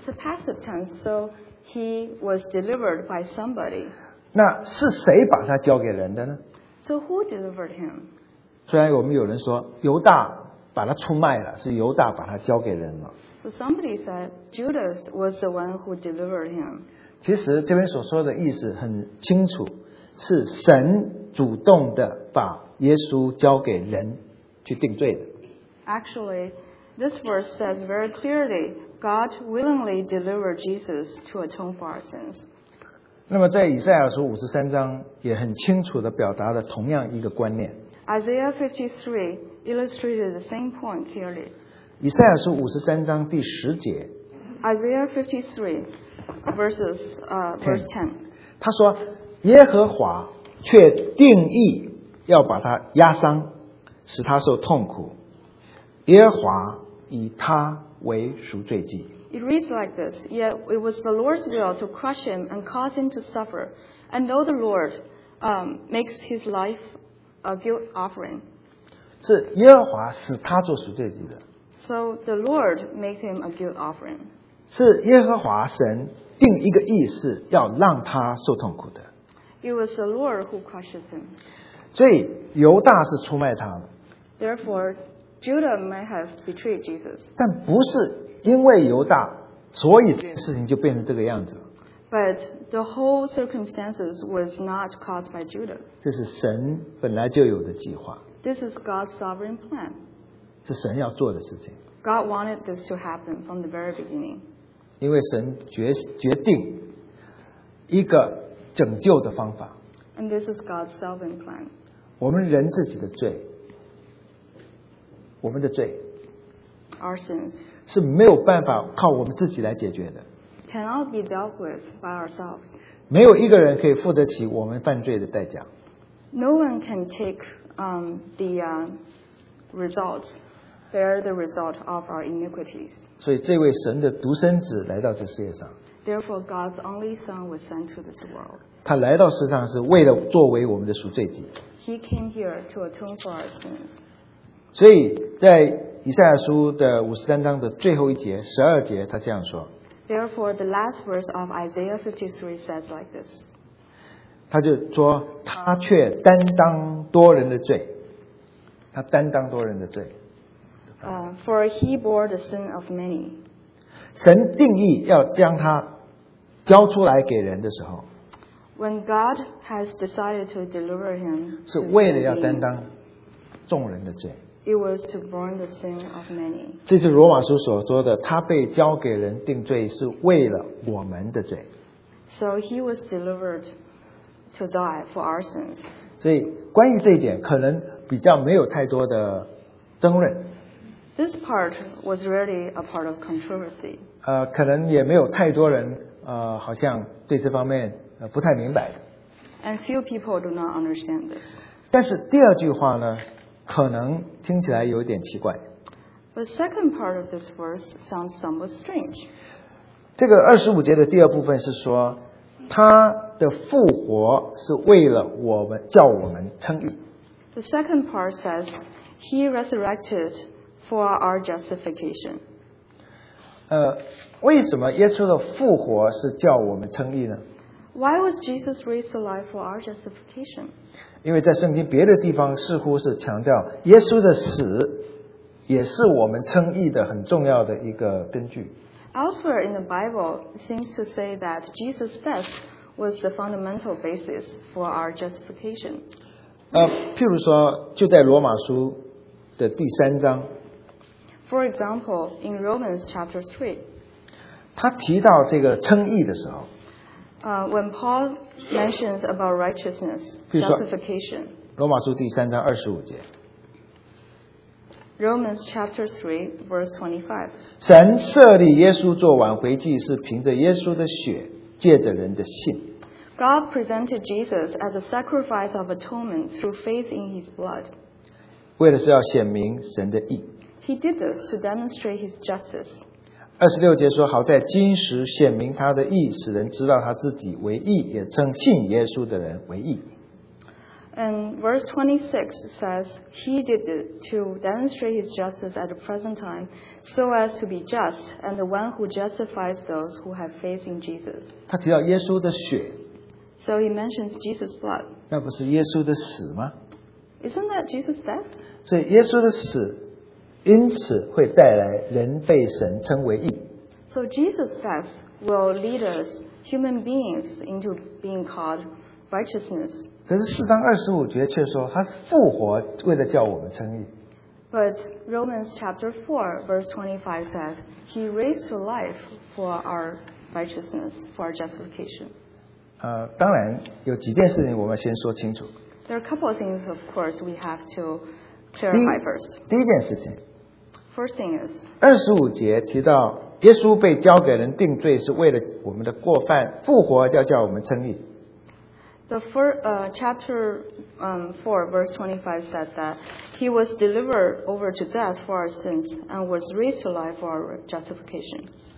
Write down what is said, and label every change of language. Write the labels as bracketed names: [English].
[English] It's a passive tense, so He was delivered by somebody. [Chinese] 那是谁把他交给人的呢？ [English] So who delivered him? [Chinese] 虽然我们有人说犹大把他出卖了，是犹大把他交给人了。 [English] So somebody said Judas was the one who delivered him. [Chinese] 其实这边所说的意思很清楚，是神主动的把耶稣交给人去定罪的。 [English] Actually, this verse says very clearly. God willingly delivered Jesus to atone for our sins. [Chinese] 那么在以赛亚书五十三章也很清楚地表达了同样一个观念。 [English] Isaiah 53 illustrated the same point clearly. [Chinese] 以赛亚书五十三章第十节。 [English] Isaiah 53 verse 10. [Chinese] 他说：“耶和华却定义要把他压伤，使他受痛苦。耶和华以他。” 为赎罪祭。 [English] It reads like this. Yet it was the Lord's will to crush him and cause him to suffer. And though the Lord makes his life a guilt offering. [Chinese] 是耶和华使他做赎罪祭的。 [English] So the Lord made him a guilt offering. [Chinese] 是耶和华神定一个意思，要让他受痛苦的。 [English] It was the Lord who crushes him. [Chinese] 所以犹大是出卖他的。 [English] Therefore, Judah might have betrayed Jesus. [Chinese] 但不是因为犹大，所以这件事情就变成这个样子。 [English] But the whole circumstances was not caused by Judah. [Chinese] 这是神本来就有的计划。 [English] This is God's sovereign plan. [Chinese] 是神要做的事情。 [English] God wanted this to happen from the very beginning. [Chinese] 因为神决定一个拯救的方法。 [English] And this is God's sovereign plan. [Chinese] 我们人自己的罪，我们的罪 [English] ，our sins [Chinese] 是没有办法靠我们自己来解决的。 [English] Cannot be dealt with by ourselves. [Chinese] 没有一个人可以付得起我们犯罪的代价。 [English] No one can take results, bear the result of our iniquities. [Chinese] 所以这位神的独生子来到这世界上。 [English] Therefore, God's only Son was sent to this world. [Chinese] 他来到世上是为了作为我们的赎罪祭。 [English] He came here to atone for our sins. [Chinese] 所以在以赛亚书的五十三章的最后一节十二节，他这样说。 [English] Therefore, the last verse of Isaiah 53 says like this. [Chinese] 他就说，他却担当多人的罪，他担当多人的罪。 [English] For he bore the sin of many. [Chinese] 神定义要将他交出来给人的时候 [English] ，When God has decided to deliver him, [Chinese] 是为了要担当众人的罪。 [English] It was to bore the sin of many. [Chinese] 这是罗马书所说的，他被交给人定罪是为了我们的罪。 [English] So he was delivered to die for our sins. [Chinese] 所以关于这一点，可能比较没有太多的争论。 [English] This part was really a part of controversy. [Chinese] 可能也没有太多人好像对这方面不太明白。 [English] And few people do not understand this. [Chinese] 但是第二句话呢？可能听起来有点奇怪。 [English] The second part of this verse sounds somewhat strange. [Chinese] 这个二十五节的第二部分是说，他的复活是为了我们，叫我们称义。 [English] The second part says he resurrected for our justification. [Chinese] 为什么耶稣的复活是叫我们称义呢？ [English] Why was Jesus raised alive for our justification? [Chinese] 因为在圣经别的地方似乎是强调耶稣的死也是我们称义的很重要的一个根据。 [English] Elsewhere in the Bible seems to say that Jesus' death was the fundamental basis for our justification. [Chinese] 譬如说就在罗马书的第三章。 [English] For example, in Romans chapter 3. [Chinese] 他提到这个称义的时候。 [English] When Paul mentions about righteousness, justification. [Chinese] 罗马书第三章二十五节。 [English] Romans chapter 3, verse 25. [Chinese] 神设立耶稣做挽回祭，是凭着耶稣的血，借着人的信。 [English] God presented Jesus as a sacrifice of atonement through faith in his blood. [Chinese] 为的是要显明神的义。 [English] He did this to demonstrate his justice. [Chinese] 二十六节说，好在今时显明他的义，使人知道他自己为义，也称信耶稣的人为义。 [English] And verse 26 says he did it to demonstrate his justice at the present time, so as to be just and the one who justifies those who have faith in Jesus. [Chinese] 他提到耶稣的血。 [English] So he mentions Jesus' blood. [Chinese] 那不是耶稣的死吗 [English] ？Isn't that Jesus' death? [Chinese] 所以耶稣的死。因此会带来人被神称为义。 [English] So Jesus' death will lead us human beings into being called righteousness. [Chinese] 可是四章二十五节却说他复活为了叫我们称义。 [English] But Romans chapter 4 verse 25 says he raised to life for our righteousness, for our justification. [Chinese] 当然有几件事情我们先说清楚。 [English] There are a couple of things, of course, we have to clarify first. [Chinese] 第一件事情。 [English] First thing is, [Chinese] 二十五节提到耶稣被交给人定罪是为了我们的过犯，复活要叫我们称义。 [English] The first, chapter 4 verse 25 said that he was delivered over to death for our sins and was raised to life for our justification.